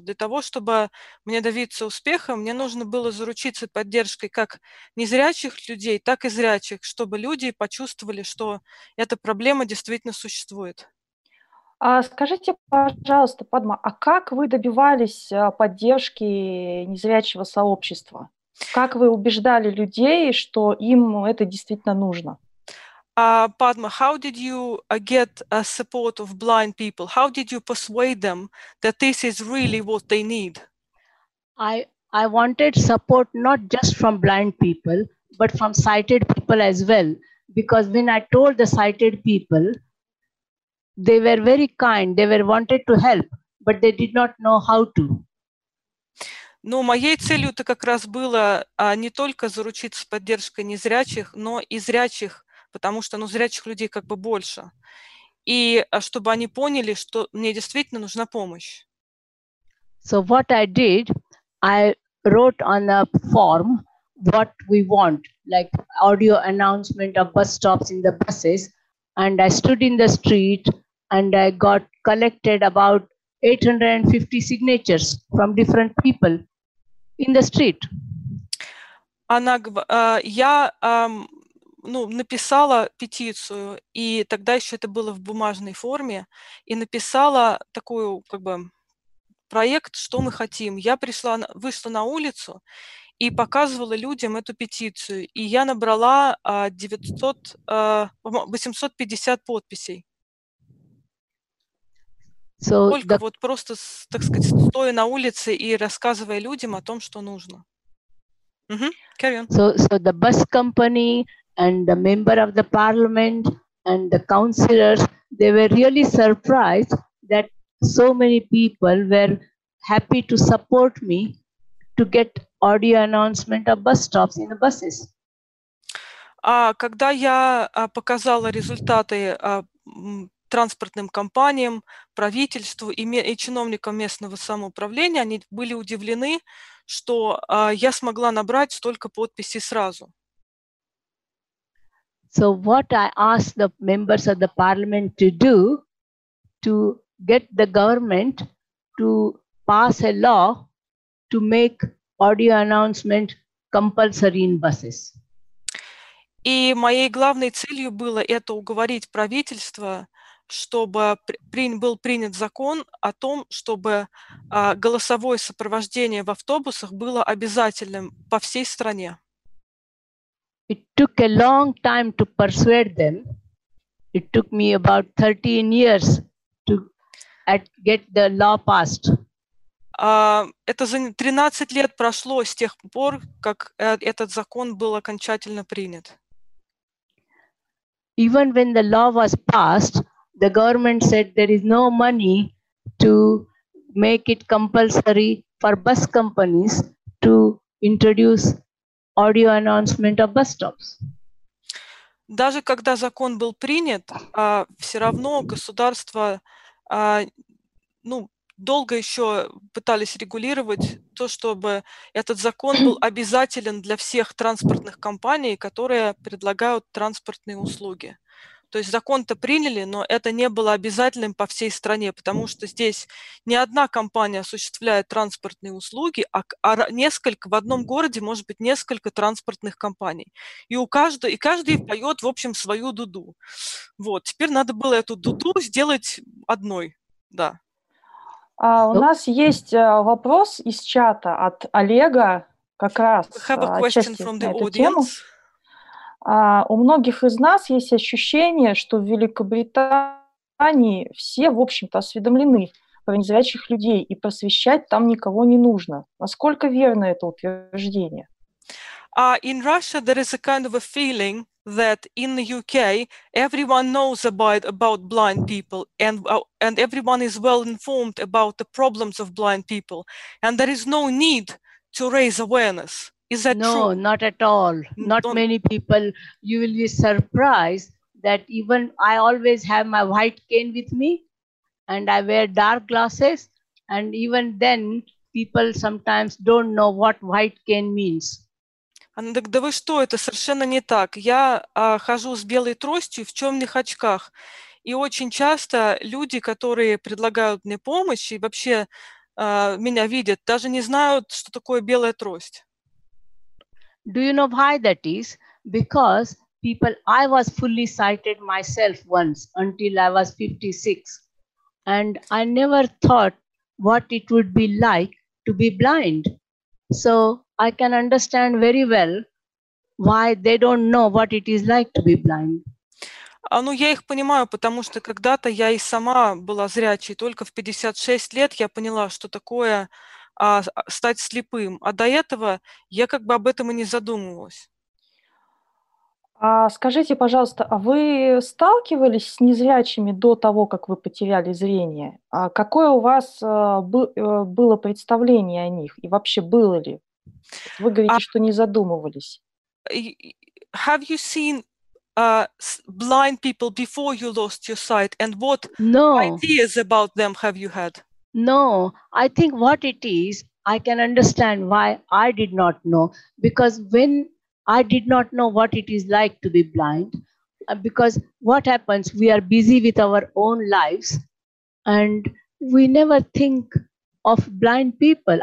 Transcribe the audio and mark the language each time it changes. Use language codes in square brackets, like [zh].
[ru] Для того, чтобы мне добиться успеха, мне нужно было заручиться поддержкой как незрячих людей, так и зрячих, чтобы люди почувствовали, что эта проблема действительно существует. А скажите, пожалуйста, Падма, а как вы добивались поддержки незрячего сообщества? Как вы убеждали людей, что им это действительно нужно? [en] Padma, how did you get support of blind people? How did you persuade them that this is really what they need? I wanted support not just from blind people, but from sighted people as well. Because when I told the sighted people, they were very kind, they were wanted to help, but they did not know how to. [ru] Ну, моей целью-то как раз было не только заручиться поддержкой незрячих, но и зрячих, потому что, ну, зрячих людей как бы больше. И чтобы они поняли, что мне действительно нужна помощь. [en] So what I did, I wrote on a form what we want, like audio announcement of bus stops in the buses, and I stood in the street, and I got collected about 850 signatures from different people in the street. [ru] Я написала петицию, и тогда еще это было в бумажной форме, и написала такую как бы проект, что мы хотим. Я вышла на улицу и показывала людям эту петицию, и я набрала 850 подписей. [en] So [ru] только вот просто, так сказать, стоя на улице и рассказывая людям о том, что нужно. [en] So the bus company and the member of the parliament and the councillors, they were really surprised that so many people were happy to support me to get audio announcement of bus stops in the buses. [ru] Когда я показала результаты транспортным компаниям, правительству и чиновникам местного самоуправления, они были удивлены, что я смогла набрать столько подписей сразу. [en] So what I asked the members of the parliament to do, to get the government to pass a law to make audio announcement compulsory in buses. [ru] И моей главной целью было это уговорить правительство, чтобы был принят закон о том, чтобы голосовое сопровождение в автобусах было обязательным по всей стране. [en] It took a long time to persuade them. It took me about 13 years to get the law passed. [ru] Это за 13 лет прошло с тех пор, как этот закон был окончательно принят. [en] Even when the law was passed, the government said there is no money to make it compulsory for bus companies to introduce audio announcement of bus stops. [ru] Даже когда закон был принят, все равно государство, долго еще пытались регулировать то, чтобы этот закон был обязателен для всех транспортных компаний, которые предлагают транспортные услуги. То есть закон-то приняли, но это не было обязательным по всей стране, потому что здесь не одна компания осуществляет транспортные услуги, а несколько, в одном городе может быть несколько транспортных компаний. И у каждого, и каждый поет, в общем, свою дуду. Вот, теперь надо было эту дуду сделать одной, да. А у нас есть вопрос из чата от Олега, как раз отчасти на эту тему. У многих из нас есть ощущение, что в Великобритании все, в общем-то, осведомлены про незрячих людей, и просвещать там никого не нужно. Насколько верно это утверждение? [en] In Russia there is a kind of a feeling that in the UK everyone knows about blind people and everyone is well informed about the problems of blind people and there is no need to raise awareness. Is that no, true? No, not at all. Not Don't... many people. You will be surprised that even I always have my white cane with me and I wear dark glasses and even then people sometimes don't know what white cane means. [ru] Да вы что, это совершенно не так. Я хожу с белой тростью в темных очках. И очень часто люди, которые предлагают мне помощь и вообще меня видят, даже не знают, что такое белая трость. [en] Do you know why that is? Because people, I was fully sighted myself once until I was 56. And I never thought what it would be like to be blind. So I can understand very well why they don't know what it is like to be blind. [ru] Я их понимаю, потому что когда-то я и сама была зрячей. Только в 56 лет я поняла, что такое стать слепым. А до этого я как бы об этом и не задумывалась. Скажите, пожалуйста, а вы сталкивались с незрячими до того, как вы потеряли зрение? Какое у вас было представление о них? И вообще было ли? Вы говорите, что не задумывались. [en] Have you seen blind people before you lost your sight? And what no. ideas about them have you had? No, I think what it is, I can understand why I did not know. Because when I did not know what it is like to be blind, because what happens, we are busy with our own lives and we never think of blind people.